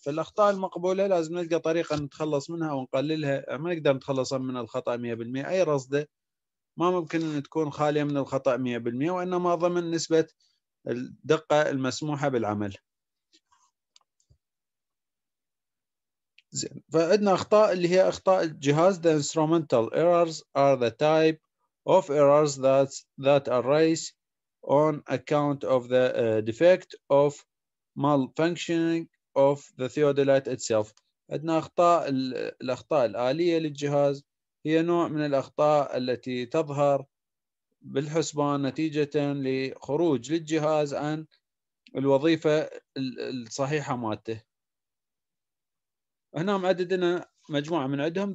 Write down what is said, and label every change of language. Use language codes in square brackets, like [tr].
[ar] فالاخطاء المقبوله لازم نلقى طريقه نتخلص منها ونقللها، ما نقدر نتخلص من الخطا 100%. اي رصده ما ممكن ان تكون خاليه من الخطا 100%، وانما ضمن نسبه الدقه المسموحه بالعمل. زين، فعندنا أخطاء اللي هي أخطاء الجهاز. [en] The instrumental errors are the type of errors that arise on account of the defect of malfunctioning of the theodolite itself. [ar] عندنا أخطاء، الأخطاء الآلية للجهاز هي نوع من الأخطاء التي تظهر بالحسبان نتيجة لخروج للجهاز عن الوظيفة الصحيحة مالته. هنا معددنا مجموعة من عندهم.